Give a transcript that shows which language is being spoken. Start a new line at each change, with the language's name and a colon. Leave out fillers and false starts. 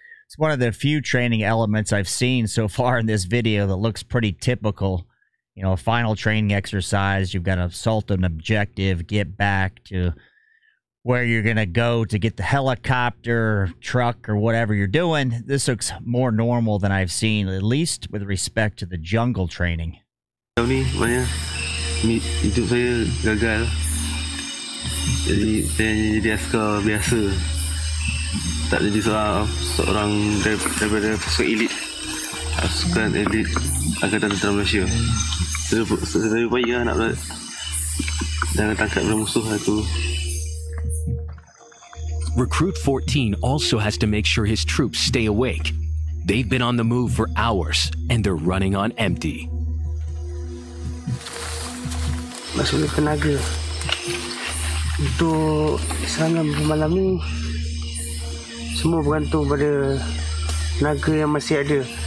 English: It's one of the few training elements I've seen so far in this video that looks pretty typical. You know, a final training exercise, you've got to assault an objective, get back to... where you're going to go to get the helicopter, truck, or whatever you're doing. This looks more normal than I've seen, at least with respect to the jungle training.
Malay: Ini maknanya hidup saya gagal. Jadi saya jadi askar biasa. Tak jadi seorang daripada pasukan elit. Pasukan elit Angkatan Tentera Malaysia. Saya baik lah nak jangan tangkap dalam musuh lah tu.
English: Recruit 14 also has to make sure his troops stay awake. They've been on the move for hours, and they're running on empty.
Malay: Masuk tenaga. Untuk serangan malam ni, semua bergantung pada tenaga yang masih ada.